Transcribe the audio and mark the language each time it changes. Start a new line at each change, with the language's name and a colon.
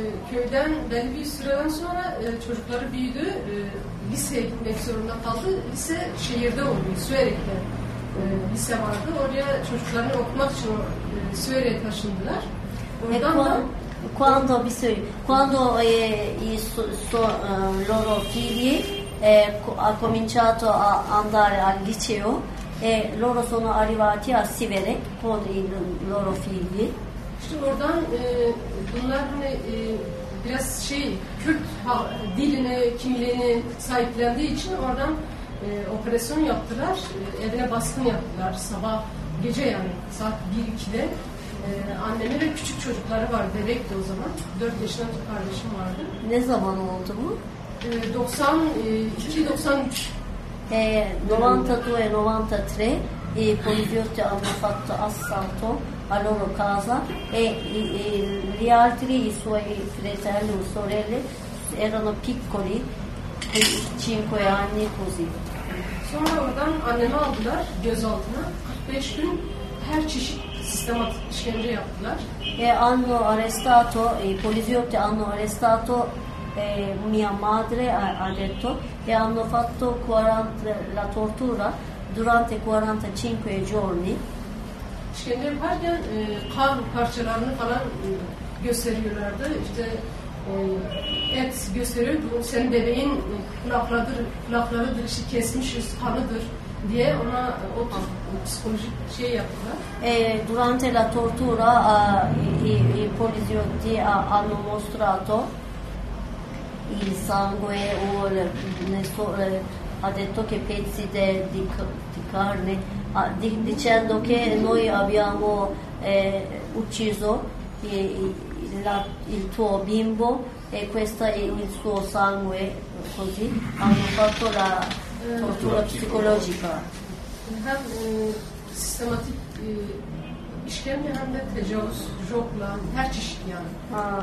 Turkish: Köyden belli bir süreden sonra çocukları büyüdü, liseye gitmek zorunda kaldı. Lise şehirde oluyor, Suerek'te lise vardı. Oraya çocuklarını okumak için Suerek'e taşındılar. Oradan da
Italian: quando loro figli ha cominciato a andare al liceo e loro sono arrivati a Sivere con i loro figli.
Turkish: İşte oradan bunlar hani biraz şey Kürt diline kimliğini sahiplendiği için oradan operasyon yaptılar, evine baskın yaptılar sabah gece yani saat 1-2'de. Anneme ve küçük çocukları var, bebekti o zaman. 4 yaşında bir kardeşim vardı. Ne zaman oldu bu? 92-93.
Italian: 92-93 e poliziotti hanno fatto assalto a loro casa e gli altri, i suoi fratelli o sorelle, erano piccoli, 5 anni così.
Turkish: Sonra oradan annemi aldılar gözaltına. 45 gün her çeşit sistematik işkence yaptılar.
Italian: E hanno arrestato, i poliziotti hanno arrestato mia madre, ha detto, e hanno fatto 40 la tortura durante 45 giorni.
Turkish: İşkence yaparken kan parçalarını falan gösteriyorlardı. İşte et gösteriyordu. Senin bebeğin kulaklarıdır, işte kesmiş üst kanıdır diye ona o psikolojik şey yaptılar.
Italian: Durante la tortura i poliziotti hanno mostrato il sangue o ha detto che pezzi di carne dicendo che noi abbiamo ucciso il tuo bimbo e questo è il suo sangue, così hanno fatto la tortura psicologica.
Turkish: Hem sistematik işkence hem de tecavüz, jokla, her çeşit yani.